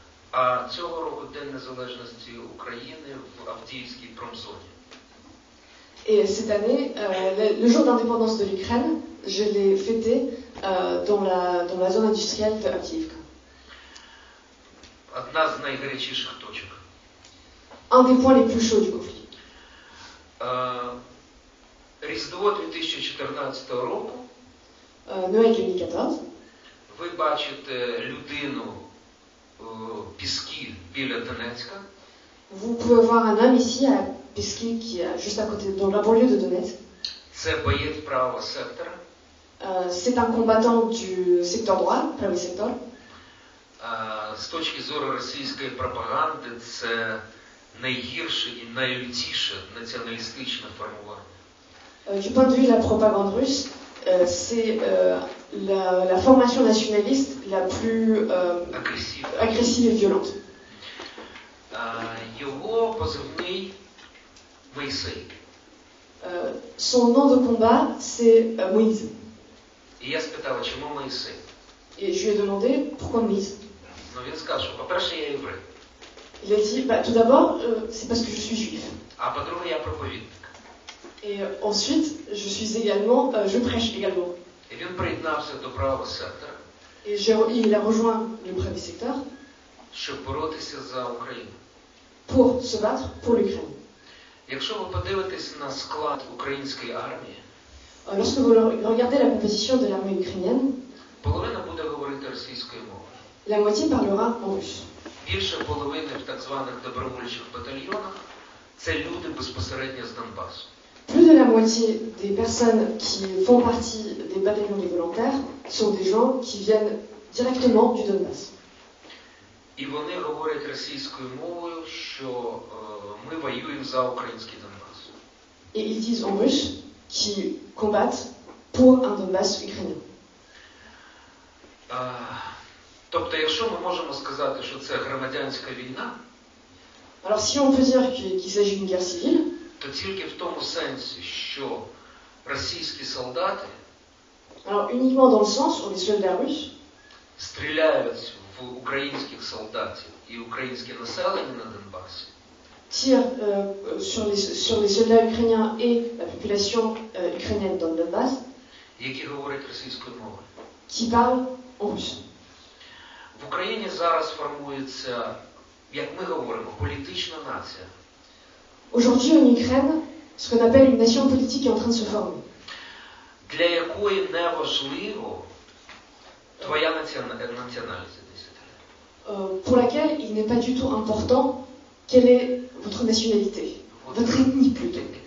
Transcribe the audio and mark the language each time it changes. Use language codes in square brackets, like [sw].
[uk] А цього року День незалежності України в Авдіївській промзоні. [fr] Et cette année, le jour d'indépendance de l'Ukraine, je l'ai fêté dans la zone industrielle de Avdiivka. [uk] Одна з найгарячіших точок. [fr] Un des points les plus chauds du conflit. [uk] Різдво 2014 року. [fr] Noël 2014. [uk] Ви бачите людину піски біля Донецька. [fr] Vous pouvez voir un homme ici à Pesky, qui est juste à côté, dans la banlieue de Donetsk. C'est [uk] боєць правого сектора. [fr] C'est un combattant du secteur droit, правий сектор. [uk] З точки зору російської пропаганди, це найгірше і найлютіше націоналістичне формування. [fr] Du point de vue de la propagande russe, c'est la formation nationaliste la plus agressive et violente. [uk] Його позивний Моїсей. [fr] Son nom de combat, c'est Moïse. [uk] І я спитав, чому Моїсей? [fr] Et je lui ai demandé, pourquoi Moïse? [uk] Ну він сказав, що, по-перше, я єврей. [fr] Il a dit, bah, tout d'abord, c'est parce que je suis juif. [uk] А по-друге, я проповідник. [fr] Et ensuite, je suis également, je prêche également. [uk] І він приєднався до правого сектора. [fr] Et il a rejoint le premier secteur. [uk] Щоб боротися за Україну. [fr] Pour se battre pour l'Ukraine. [uk] Якщо ви подивитесь на склад української армії, [fr] lorsque vous regardez la composition de l'armée ukrainienne, [uk] половина буде говорити російською мовою. [fr] La moitié parlera en russe. [uk] Більша половина в так званих добровольчих батальйонах – це люди безпосередньо з Донбасу. [fr] Plus de la moitié des personnes qui font partie des bataillons des volontaires sont des gens qui viennent directement du Donbass. [uk] І вони говорять російською мовою, що ми воюємо за український Донбас. [fr] Et ils disent en russe qu'ils combattent pour un Donbass ukrainien. [uk] Тобто, якщо ми можемо сказати, що це громадянська війна, [fr] alors si on peut dire qu'il s'agit d'une guerre civile, [uk] то тільки в тому сенсі, що російські солдати, [fr] alors uniquement dans le sens où les soldats russes [uk] стріляють в українських солдатів і українське населення на Донбасі. Тірсурлісурлі [fr] soldats ukrainiens et la population ukrainienne dans le Donbass, [uk] які говорять російською мовою. [fr] Qui parlent en russe. [uk] В Україні зараз формується, як ми говоримо, політична нація. [fr] Aujourd'hui en Ukraine, ce qu'on appelle une nation politique est en train de se former. [uk] Для якої неважливо твоя національність десятиліття. [fr] Pour laquelle il n'est pas du tout important quelle est votre nationalité, votre ethnie plutôt.